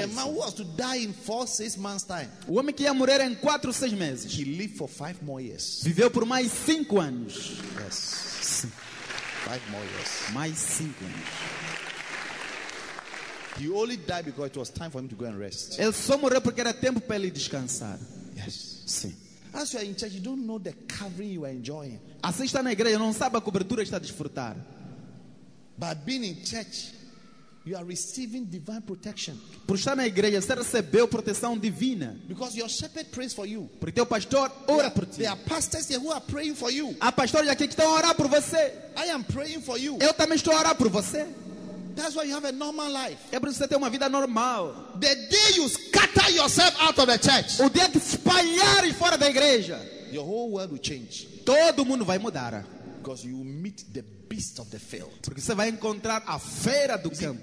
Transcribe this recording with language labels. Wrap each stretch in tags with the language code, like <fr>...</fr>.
<en>The man was to die in 4-6 months time.</en> <pt>O homem que ia morrer em 4-6 meses.</pt> <en>He lived for 5 more years.</en> <pt>Viveu por mais 5 anos.</pt> <en>Yes.</en> <pt>Sim.</pt> <en>5 more years.</en> <pt>Mais 5 anos.</pt> <en>He only died because it was time for him to go and rest.</en> <pt>Ele só morreu porque era tempo para ele descansar.</pt> <en>Yes.</en> <pt>Sim.</pt> <en>As you are in church, you don't know the covering you are enjoying.</en> <pt>Assim está na igreja, não sabe a cobertura que está a desfrutar.</pt> <en>By being in church, you are receiving divine protection.</en> <pt>Por estar na igreja, você recebeu proteção divina.</pt> <en>Because your shepherd prays for you.</en> <pt>Porque teu pastor ora por ti.</pt> <en>There are pastors here who are praying for you.</en> <pt>Há pastores aqui que estão a orar por você.</pt> <en>I am praying for you.</en> <pt>Eu também estou a orar por você.</pt> <en>That's why you have a normal life.</en> <pt>É por isso que você tem uma vida normal.</pt> <en>The day you scatter yourself out of the church.</en> <pt>O dia que espalhar fora da igreja.</pt> <en>Your whole world will change.</en> <pt>Todo mundo vai mudar.</pt> <en>Because you meet the beast of the field.</en> <pt>Porque você vai encontrar a fera do campo.</pt>